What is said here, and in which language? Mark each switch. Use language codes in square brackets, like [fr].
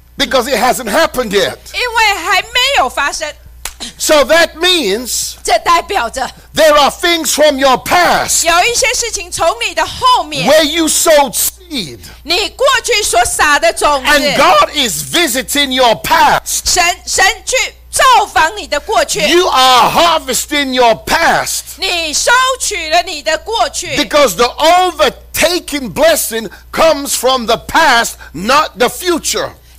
[en] Because it hasn't happened yet. [zh] 因为还没有发生。 [en] So that means, [zh] 这代表着, [en] there are things from your past, [zh] 有一些事情从你的后面, [en] where you sowed seed, [zh] 你过去所撒的种子, [en] and God is visiting your past. [zh] 神去造访你的过去, [en] you are harvesting your past, [zh] 你收取了你的过去, [en] because the overtaking blessing comes from the past, not the future.